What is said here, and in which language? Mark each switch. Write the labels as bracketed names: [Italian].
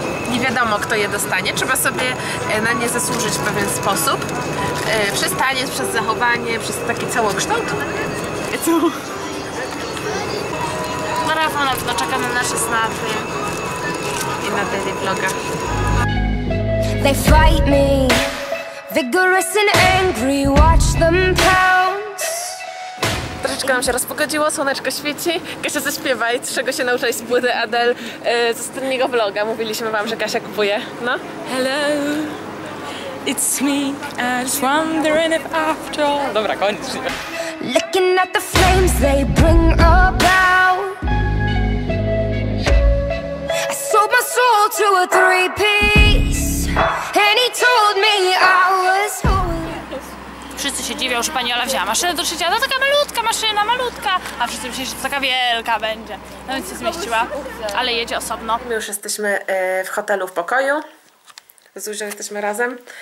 [Polish] Nie wiadomo, kto je dostanie. Trzeba sobie na nie zasłużyć w pewien sposób. Przez taniec, przez zachowanie, przez taki całokształt. Co? Na Rafał na pewno czekamy na nasze snapy i na daily vloga. [English] They fight me, vigorous and angry, watch them pounce. [Polish] Troszeczkę nam się rozpogodziło, słoneczko świeci. Kasia, zaśpiewaj, czego się nauczyłaś z płyty Adele z ostatniego vloga. Mówiliśmy wam, że Kasia kupuje. No. [English] Hello, it's me, I was wondering if after all. [Polish] Dobra, koniec. [English] Looking at the flames they bring about. I sold my soul to a three piece. And he told me I was holy. [Polish] Wszyscy się dziwią, że pani Ola wzięła maszynę do szycia. To taka malutka maszyna, malutka. A wszyscy myśleli, że to taka wielka będzie. No więc się zmieściła, ale jedzie osobno. My już jesteśmy w hotelu w pokoju. Z Zuzią jesteśmy razem.